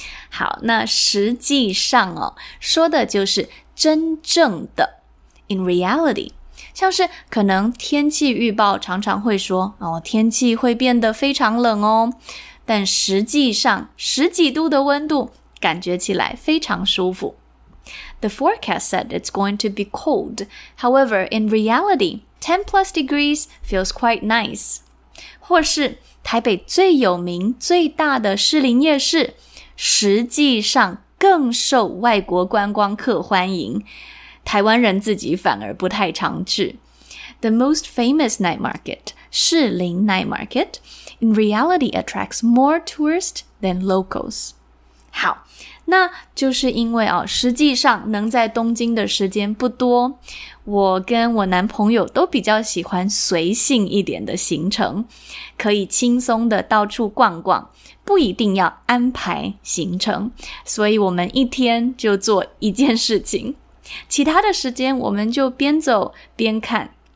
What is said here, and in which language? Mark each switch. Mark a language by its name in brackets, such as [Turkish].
[Chinese] 好，那实际上哦，说的就是真正的 in reality。像是可能天气预报常常会说哦，天气会变得非常冷哦，但实际上十几度的温度感觉起来非常舒服。 [English] The forecast said it's going to be cold. However, in reality, 10 plus degrees feels quite nice. [Chinese] 或是台北最有名最大的士林夜市实际上更受外国观光客欢迎，台湾人自己反而不太常去。 [English] The most famous night market, 士林 night market, in reality attracts more tourists than locals. [Chinese] 好，那就是因为哦，实际上能在东京的时间不多，我跟我男朋友都比较喜欢随性一点的行程，可以轻松的到处逛逛，不一定要安排行程，所以我们一天就做一件事情，其他的时间我们就边走边看。